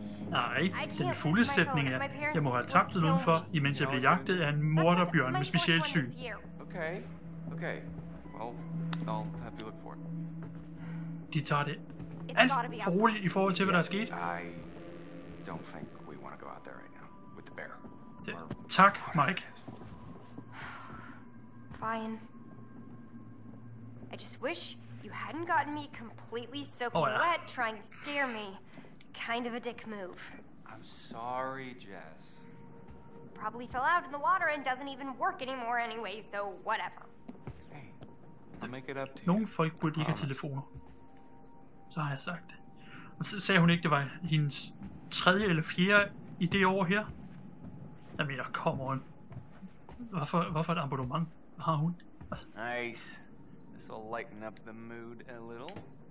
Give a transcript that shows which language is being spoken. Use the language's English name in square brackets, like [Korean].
[Danish] Nej, den fulde sætning er, jeg må have tabt det udenfor, imens jeg blev jagtet af en morderbjørn med specielt syn. [English] Okay. Well, I'll have to look for it. [Danish] De tager det alt for roligt i forhold til, hvad der er sket. [English] I don't think we want to go out there right now with the bear. [Danish] Tak, Mike. [English] Fine. I just wish you hadn't gotten me completely soaking wet trying to scare me. Kind of a dick move. I'm sorry, Jess. Probably fell out in the water and doesn't even work anymore anyway, so whatever. Hey, I'll make it up to you. [Danish] Nogle folk burde ikke have telefoner. Så har jeg sagt det. Og så sagde hun ikke, det var hendes tredje eller fjerde i det år her? Jeg mener, [English] come on. [Danish] Hvorfor et abonnement har hun? Altså. Nice. [English] This will lighten up the mood a little.